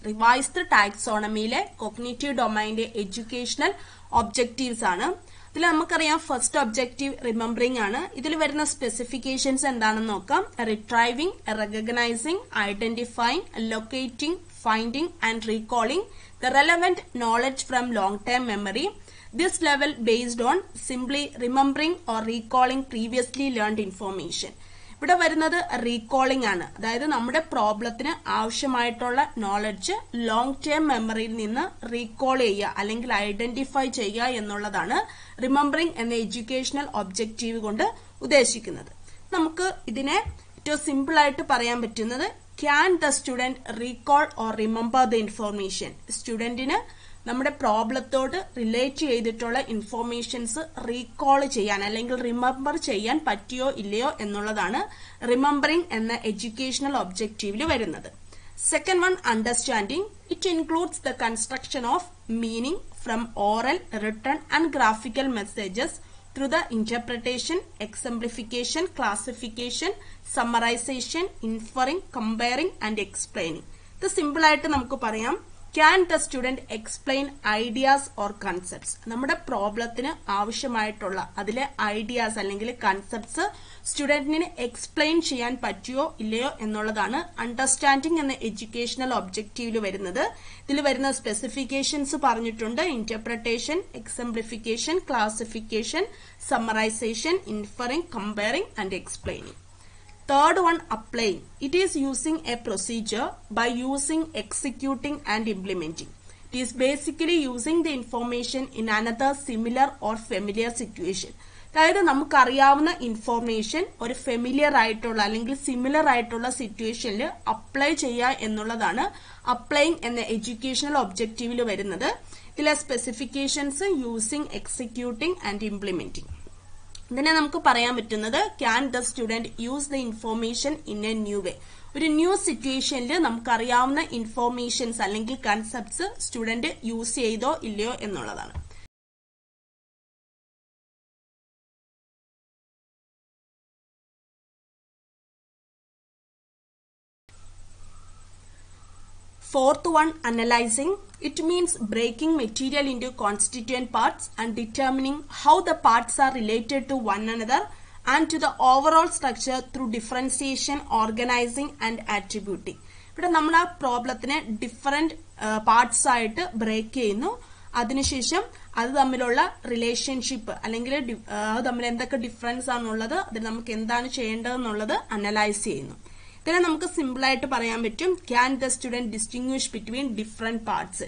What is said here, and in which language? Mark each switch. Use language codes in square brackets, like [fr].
[ml] Revised ടാക്സോണമിയിലെ cognitive ഡൊമൈൻ്റെ educational objectives ആണ്. ഇതിൽ നമുക്കറിയാം ഫസ്റ്റ് ഒബ്ജക്റ്റീവ് റിമെമ്പറിംഗ് ആണ്. ഇതിൽ വരുന്ന സ്പെസിഫിക്കേഷൻസ് എന്താണെന്ന് നോക്കാം. [en] Retrieving, recognising, identifying, locating, finding and recalling the relevant knowledge from long term memory. This level based on simply remembering or recalling previously learned information. [ml] ഇവിടെ വരുന്നത് റീകോളിംഗ് ആണ്. അതായത് നമ്മുടെ പ്രോബ്ലത്തിന് ആവശ്യമായിട്ടുള്ള നോളജ് ലോങ് ടേം മെമ്മറിയിൽ നിന്ന് റീകോൾ ചെയ്യുക, അല്ലെങ്കിൽ ഐഡന്റിഫൈ ചെയ്യുക എന്നുള്ളതാണ് റിമെമ്പറിംഗ് എന്ന എഡ്യൂക്കേഷണൽ ഒബ്ജക്റ്റീവ് കൊണ്ട് ഉദ്ദേശിക്കുന്നത്. നമുക്ക് ഇതിനെ ഏറ്റവും സിമ്പിളായിട്ട് പറയാൻ പറ്റുന്നത് [en] Can the student recall or remember the information. [ml] സ്റ്റുഡൻറ്റിന് നമ്മുടെ പ്രോബ്ലത്തോട് റിലേറ്റ് ചെയ്തിട്ടുള്ള ഇൻഫോർമേഷൻസ് റീകോള് ചെയ്യാൻ അല്ലെങ്കിൽ റിമെമ്പർ ചെയ്യാൻ പറ്റിയോ ഇല്ലയോ എന്നുള്ളതാണ് റിമെമ്പറിംഗ് എന്ന എഡ്യൂക്കേഷണൽ ഒബ്ജക്റ്റീവിൽ വരുന്നത്. [en] Second one, understanding. It includes the construction of meaning from oral, written and graphical messages through the interpretation, exemplification, classification, summarisation, inferring, comparing and explaining. [ml] ഇത് സിമ്പിളായിട്ട് നമുക്ക് പറയാം. [en] Can the student explain ideas or concepts? [ml] നമ്മുടെ പ്രോബ്ലത്തിന് ആവശ്യമായിട്ടുള്ള അതിലെ ideas അല്ലെങ്കിൽ concepts സ്റ്റുഡൻറ്റിന് explain ചെയ്യാൻ പറ്റിയോ ഇല്ലയോ എന്നുള്ളതാണ് അണ്ടർസ്റ്റാൻഡിംഗ് എന്ന എഡ്യൂക്കേഷണൽ ഒബ്ജക്റ്റീവിൽ വരുന്നത്. ഇതിൽ വരുന്ന സ്പെസിഫിക്കേഷൻസ് പറഞ്ഞിട്ടുണ്ട്. Interpretation, എക്സംപ്ലിഫിക്കേഷൻ, classification, summarisation, ഇൻഫറിംഗ്, comparing and explaining. [en] Third one, applying. It is using a procedure by using, executing and implementing. It is basically using the information in another similar or familiar situation. [ml] അതായത് നമുക്കറിയാവുന്ന information ഒരു familiar ആയിട്ടുള്ള അല്ലെങ്കിൽ similar ആയിട്ടുള്ള സിറ്റുവേഷനിൽ apply ചെയ്യുക എന്നുള്ളതാണ് applying എന്ന എഡ്യൂക്കേഷണൽ ഒബ്ജക്റ്റീവിൽ വരുന്നത്. ഇതിലെ specifications using executing and implementing. ഇതിനെ നമുക്ക് പറയാൻ പറ്റുന്നത് [en] Can the student use the information in a new way. [ml] ഒരു ന്യൂ സിറ്റുവേഷനിൽ നമുക്കറിയാവുന്ന ഇൻഫോർമേഷൻസ് അല്ലെങ്കിൽ കൺസെപ്റ്റ്സ് സ്റ്റുഡന്റ് യൂസ് ചെയ്തോ ഇല്ലയോ എന്നുള്ളതാണ്. [en] Fourth one, analyzing. It means breaking material into constituent parts and determining how the parts are related to one another and to the overall structure through differentiation, organizing and attributing. [ml] ഇവിടെ നമ്മൾ ആ പ്രോബ്ലത്തിനെ different parts ആയിട്ട് break ചെയ്യുന്നു. അതിനുശേഷം അത് തമ്മിലുള്ള relationship അല്ലെങ്കിൽ അത് തമ്മിൽ എന്തൊക്കെ ഡിഫറൻസ് ആണുള്ളത്, അതിൽ നമുക്ക് എന്താണ് ചെയ്യേണ്ടതെന്നുള്ളത് അനലൈസ് ചെയ്യുന്നു. ഇതിനെ നമുക്ക് സിമ്പിളായിട്ട് പറയാൻ പറ്റും, [en] Can the student distinguish between different parts.